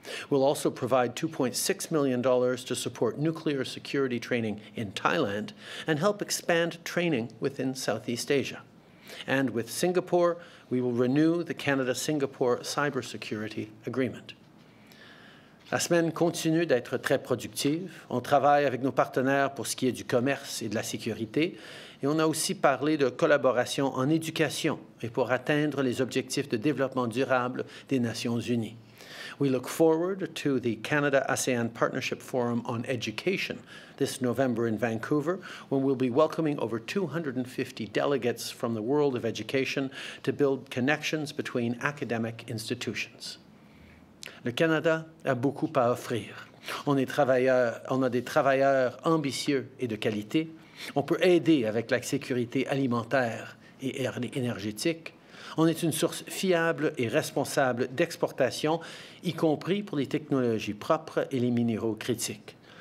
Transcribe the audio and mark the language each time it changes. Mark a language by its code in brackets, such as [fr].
[en] We'll also provide $2.6 million to support nuclear security training in Thailand and help expand training within Southeast Asia. And with Singapore, we will renew the Canada-Singapore Cybersecurity Agreement. [fr] La semaine continue d'être très productive. On travaille avec nos partenaires pour ce qui est du commerce et de la sécurité. Et on a aussi parlé de collaboration en éducation et pour atteindre les objectifs de développement durable des Nations Unies. [en] We look forward to the Canada-ASEAN Partnership Forum on Education this November in Vancouver, when we'll be welcoming over 250 delegates from the world of education to build connections between academic institutions. [fr] Le Canada a beaucoup à offrir. On a des travailleurs ambitieux et de qualité. On peut aider avec la sécurité alimentaire et énergétique. On est une source fiable et responsable d'exportation, y compris pour les technologies propres et les minéraux critiques.